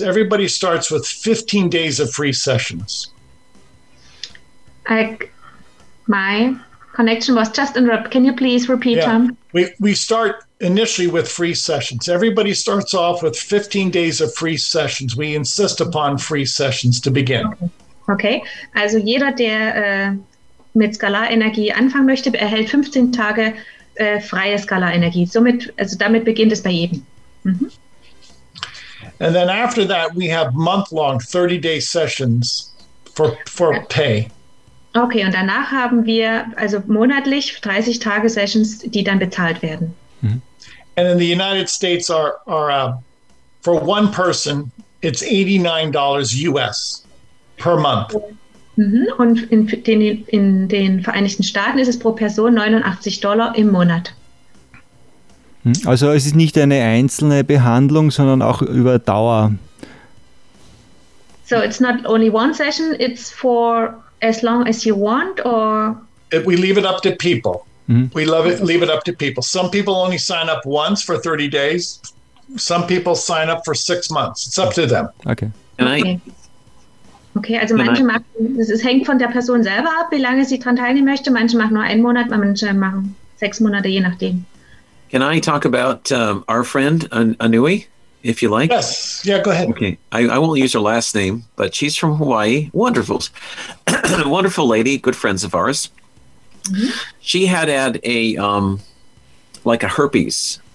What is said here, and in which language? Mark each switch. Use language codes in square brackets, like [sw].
[en] Everybody starts with 15 days of free sessions. My connection was just interrupted. Can you please repeat, yeah. Tom? We start initially with free sessions. Everybody starts off with 15 days of free sessions. We insist upon free sessions to begin. Okay. [de] Also jeder, der mit Skalarenergie anfangen möchte, erhält 15 Tage freie Skalarenergie. Somit, also damit beginnt es bei jedem. [en] And then after that, we have month-long 30-day sessions for pay. [de] Okay, und danach haben wir also monatlich 30-Tage Sessions, die dann bezahlt werden. [en] And in the United States are for one person, it's $89 US per month. [de] Und in den Vereinigten Staaten ist es pro Person $89 im Monat. Also es ist nicht eine einzelne Behandlung, sondern auch über Dauer. [en] So it's not only one session, it's for as long as you want or... We leave it up to people. We love it, leave it up to people. Some people only sign up once for 30 days. Some people sign up for 6 months. It's up to them. Okay. [de] Okay, also manche machen, es hängt von der Person selber ab, wie lange sie dran teilnehmen möchte. Manche machen nur einen Monat, manche machen 6 Monate, je nachdem. [en] Can I talk about our friend Anui, if you like? Yes, yeah, go ahead. Okay, I won't use her last name, but she's from Hawaii. Wonderful. Wonderful lady, good friends of ours. She had a, like a herpes.